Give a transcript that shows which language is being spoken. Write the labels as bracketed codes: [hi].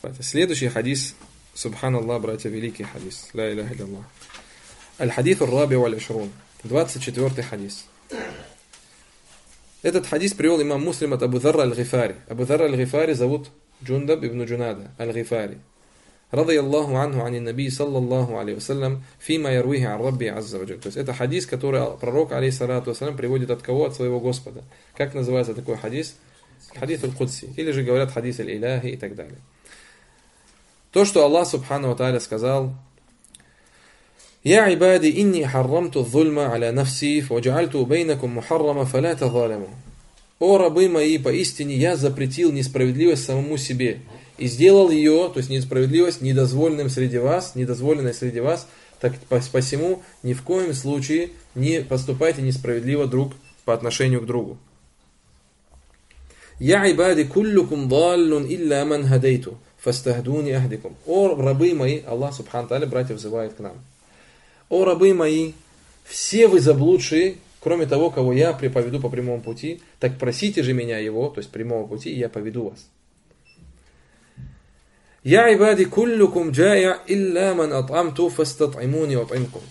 [ru] Следующий хадис, субханаллах, братья, великий хадис, ла иляха илляллах. [ar] الحديث الرابع والعشرون 24 حديث [ru] этот хадис привел имам Муслим от Абу Дзарра аль-Гифари. Абу Дзарра аль-Гифари зовут Джундаб ибн Джунада аль-Гифари. [ar] رضي الله عنه عن النبي صلى الله عليه وسلم فيما يرويه عن ربي عز وجل. [ru] То есть это хадис, который пророк алейхиссалату вассалям приводит от кого? От своего Господа. Как называется такой хадис? Хадис аль-Кудси, или же говорят хадис аль-Илахи и так далее. То, что Аллах субхана ва тааля сказал: [ar] يا عبادي إني حرمت الظلم على نفسي وجعلت بينكم محرما فلا تظالموا. [ru] О рабы мои, поистине я запретил несправедливость самому себе и сделал ее, то есть несправедливость, недозволенным среди вас, недозволенной среди вас, так посему ни в коем случае не поступайте несправедливо друг по отношению к другу. [ar] يا عبادي كلكم ضال إلا من هديت فاستهدوني أهديكم. [ru] О рабы мои, Аллах субхана ва тааля братьев взывает к нам. О рабы мои, все вы заблудшие, кроме того, кого я приведу по прямому пути, так просите же меня его, то есть прямого пути, и я поведу вас. [ar] Я ибади куллюкум джая илля ман атамту фастатимуни атимкум.